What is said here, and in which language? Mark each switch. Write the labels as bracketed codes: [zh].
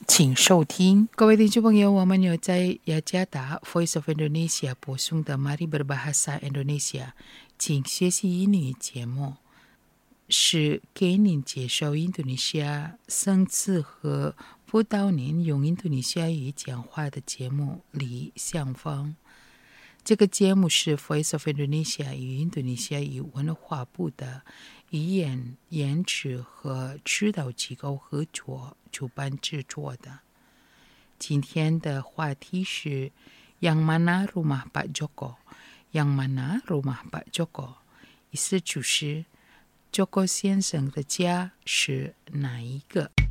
[zh] 请收听。各位听众朋友，我们有在雅加达 Voice of Indonesia 播送的 Mari Berbahasa Indonesia 请学习印尼语节目，是给您介绍印度尼西亚生字和辅导您用印度尼西亚语讲话的节目。李向芳，这个节目是 Voice of Indonesia 与印度尼西亚语文化部的语言研制和指导机构合作主办制作的。今天的话题是 [id] Yang mana rumah Pak Joko? Yang mana rumah Pak Joko? [zh] 意思就是 Joko 先生的家是哪一个。